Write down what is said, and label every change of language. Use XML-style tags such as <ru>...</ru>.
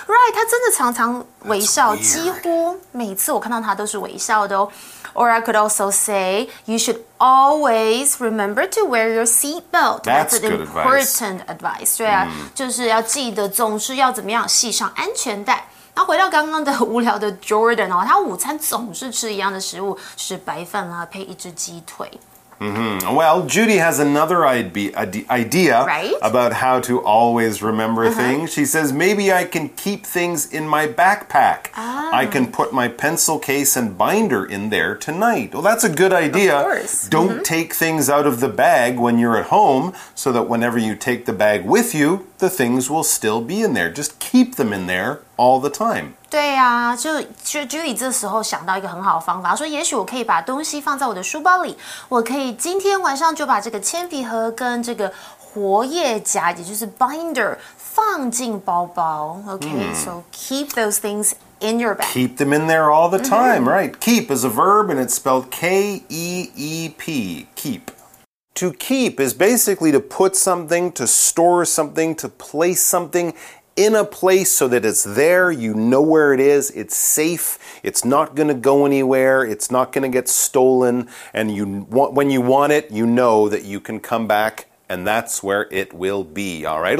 <en>Right,</en> <zh>她真的常常微笑，几乎每次我看到她都是微笑的哦。</zh> <en>Or I could also say, you should always remember to wear your seatbelt. That's good important advice.</en> <zh>对啊，就是要记得总是要怎么样系上安全带。那回到刚刚的无聊的 Jordan 哦，他午餐总是吃一样的食物，就是白饭啦配一只鸡腿。</zh> <en>Well, Judy has another idea about how to always remember things. She says, maybe I can keep things in my backpack. I can put my pencil case and binder in there tonight. Well, that's a good idea. Of course. Don't take things out of the bag when you're at home so that whenever you take the bag with you, the things will still be in there. Just keep them in there all the time.</en> <zh>对啊，就 Judy 这时候想到一个很好的方法，说也许我可以把东西放在我的书包里，我可以今天晚上就把这个铅笔盒跟这个活页夹，也就是 binder 放进包包。</zh> <en>Okay, so keep those things in your bag. Keep them in there all the time, right? Keep is a verb and it's spelled K-E-E-P, keep. to keep is basically to put something, to store something, to place something in a place so that it's there, you know where it is, it's safe, it's not going to go anywhere, it's not going to get stolen, and you, when you want it, you know that you can come back and that's where it will be, all right?</en>